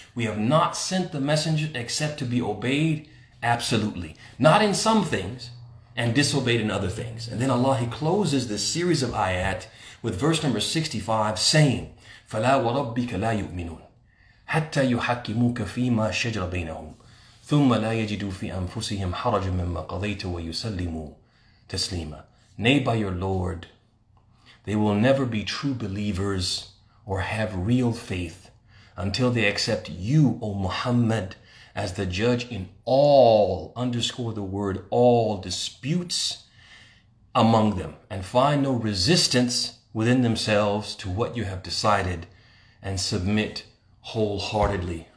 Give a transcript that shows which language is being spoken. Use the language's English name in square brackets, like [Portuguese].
[English] We have not sent the messenger except to be obeyed absolutely. Not in some things and disobeyed in other things. And then Allah, he closes this series of ayat with verse number 65 saying, فَلَا وَرَبِّكَ لَا يُؤْمِنُونَ حَتَّى يُحَكِّمُوكَ فِي مَا شَجْرَ بَيْنَهُمْ [Arabic] ثم لا يجدوا في أنفسهم حرج مما قضيت ويسلموا تسليما. [English] Nay, by your Lord, they will never be true believers or have real faith until they accept you, O Muhammad, as the judge in all, underscore the word all, disputes among them, and find no resistance within themselves to what you have decided, and submit wholeheartedly.